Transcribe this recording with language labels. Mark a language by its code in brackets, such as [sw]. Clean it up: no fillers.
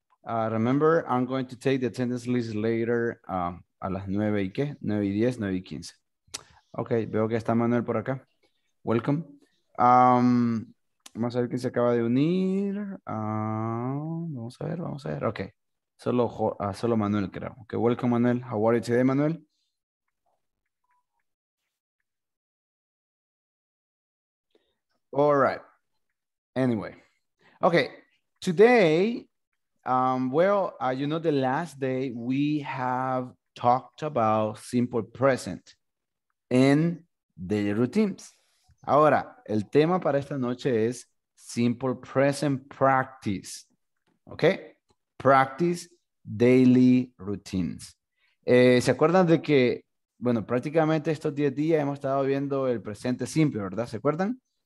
[en] Remember, I'm going to take the attendance list later [es] a las 9 y qué? 9 y 10, 9 y 15. Ok, veo que está Manuel por acá. [en] Welcome. [es] Vamos a ver quién se acaba de unir. Vamos a ver. Ok. Solo Manuel, creo. Ok, welcome, Manuel. [en] How are you today, Manuel? All right. Anyway. Ok. Today, the last day we have talked about simple present in daily routines. [es] Ahora, el tema para esta noche es Simple Present Practice, ¿ok? Practice Daily Routines. ¿Se acuerdan de que, bueno, prácticamente estos 10 días hemos estado viendo el presente simple, ¿verdad? ¿Se acuerdan?